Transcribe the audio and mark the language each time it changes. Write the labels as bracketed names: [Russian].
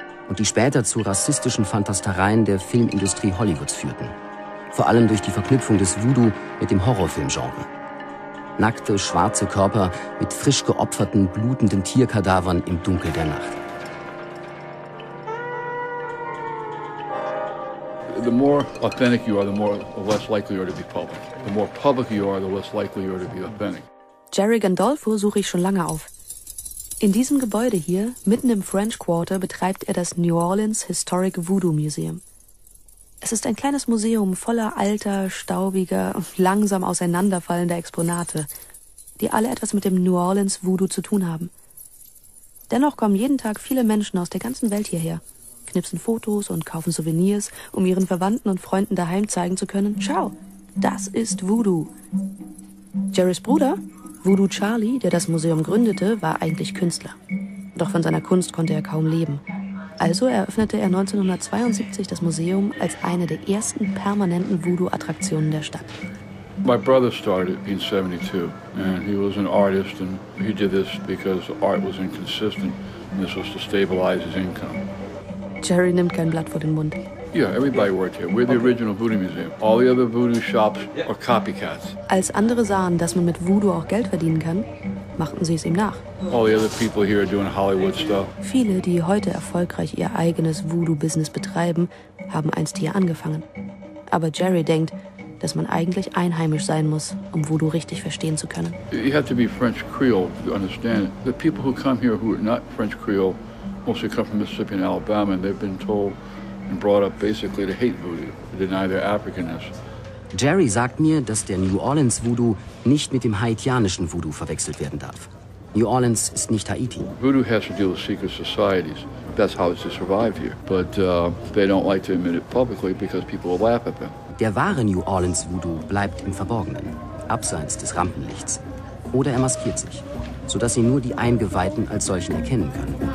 [German] Und die später zu rassistischen Fantastereien der Filmindustrie Hollywoods führten. Vor allem durch die Verknüpfung des Voodoo mit dem Horrorfilmgenre. Nackte, schwarze Körper mit frisch geopferten, blutenden Tierkadavern im Dunkel der Nacht. [English] The more authentic you are, the more the less likely you are to be public. The more public you are, the less likely you are to be authentic. [German] Jerry Gandolfo suche ich schon lange auf. In diesem Gebäude hier, mitten im French Quarter, betreibt er das New Orleans Historic Voodoo Museum. Es ist ein kleines Museum voller alter, staubiger, langsam auseinanderfallender Exponate, die alle etwas mit dem New Orleans Voodoo zu tun haben. Dennoch kommen jeden Tag viele Menschen aus der ganzen Welt hierher, knipsen Fotos und kaufen Souvenirs, um ihren Verwandten und Freunden daheim zeigen zu können: Schau, das ist Voodoo. Jerrys Bruder, Voodoo Charlie, der das Museum gründete, war eigentlich Künstler. Doch von seiner Kunst konnte er kaum leben. Also eröffnete er 1972 das Museum als eine der ersten permanenten Voodoo-Attraktionen der Stadt. [English] My brother started in 72 and he was an artist and he did this because art was inconsistent and this was to stabilize his income. [German] Jerry nimmt kein Blatt vor den Mund. [English] Yeah, everybody worked here. We're the original Voodoo Museum. All the other Voodoo shops are copycats. [German] Als andere sahen, dass man mit Voodoo auch Geld verdienen kann, machten sie es ihm nach. [English] All the other people here are doing Hollywood stuff. [German] Viele, die heute erfolgreich ihr eigenes Voodoo-Business betreiben, haben einst hier angefangen. Aber Jerry denkt, dass man eigentlich einheimisch sein muss, um Voodoo richtig verstehen zu können. [English] You have to be French Creole to understand. The people who come here who are not French Creole mostly come from Mississippi and Alabama, and they've been told and brought up basically to hate Voodoo, to deny their Africanness. [German] Jerry sagt mir, dass der New Orleans Voodoo nicht mit dem haitianischen Voodoo verwechselt werden darf. New Orleans ist nicht Haiti. [English] Voodoo has to deal with secret societies. That's how it's to survive here. But they don't like to admit it publicly because people will laugh at them. [German] Der wahre New Orleans Voodoo bleibt im Verborgenen. abseits des Rampenlichts. Oder er maskiert sich, sodass sie nur die Eingeweihten als solchen erkennen können.